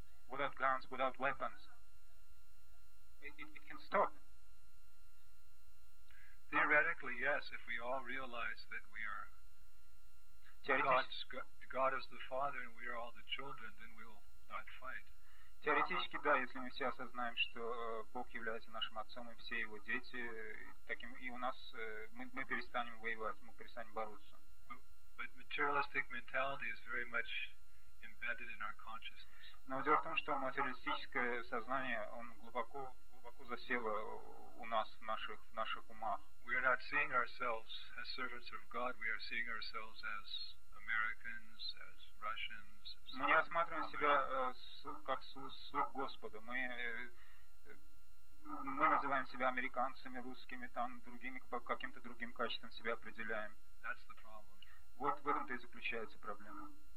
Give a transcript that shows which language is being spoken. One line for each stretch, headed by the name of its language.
English: Without guns, without weapons, it can stop. Theoretically, yes, if we all realize that we are God is the Father and we are all the children, then we will not fight.
Russian: Теоретически, да, если мы все осознаем, что Бог является нашим отцом и все его дети, таким и у нас мы перестанем воевать, мы перестанем бороться.
English: But materialistic mentality is very much embedded in our consciousness.
Russian: Но дело в том, что материалистическое сознание, он глубоко засело у нас в наших умах.
English: We are not seeing ourselves as servants of God. We are seeing ourselves as Americans, as Russians.
Russian: Мы не осматриваем себя как слуг Господа. Мы называем себя американцами, русскими, там другими, по каким-то другим качествам себя определяем.
English: That's the problem.
Russian: Вот в этом-то и заключается проблема.